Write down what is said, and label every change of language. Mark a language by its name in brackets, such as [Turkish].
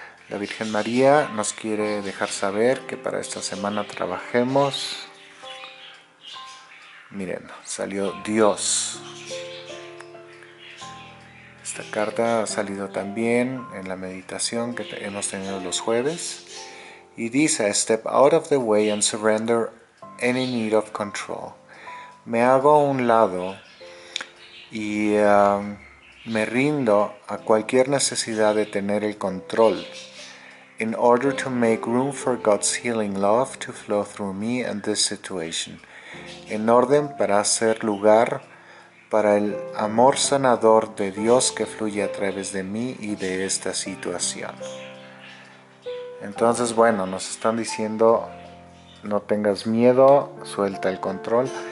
[Spanish] La Virgen María nos quiere dejar saber que para esta semana trabajemos. Miren, salió Dios. Esta carta ha salido también en la meditación que hemos tenido los jueves. Y dice, [English] step out of the way and surrender any need of control. [Spanish] Me hago a un lado y me rindo a cualquier necesidad de tener el control. [English] In order to make room for God's healing love to flow through me and this situation. [Spanish] En orden para hacer lugar para el amor sanador de Dios que fluye a través de mí y de esta situación. Entonces, bueno, nos están diciendo, no tengas miedo, suelta el control.